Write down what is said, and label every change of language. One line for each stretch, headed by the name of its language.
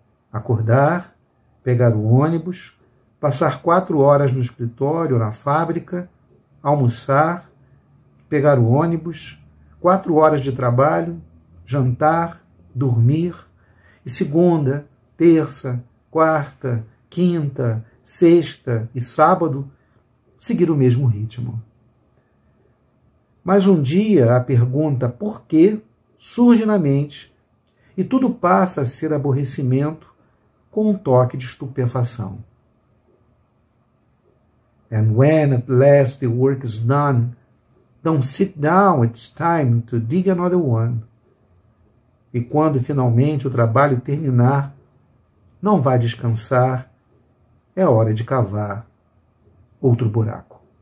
Portuguese: acordar, pegar o ônibus, passar 4 horas no escritório ou na fábrica, almoçar, pegar o ônibus, 4 horas de trabalho, jantar, dormir, e segunda, terça, quarta, quinta, sexta e sábado, seguir o mesmo ritmo. Mas um dia a pergunta por quê surge na mente e tudo passa a ser aborrecimento, com um toque de estupefação.
English: And when at last the work is done, don't sit down, it's time to dig another one.
Portuguese: E quando finalmente o trabalho terminar, não vá descansar, é hora de cavar outro buraco.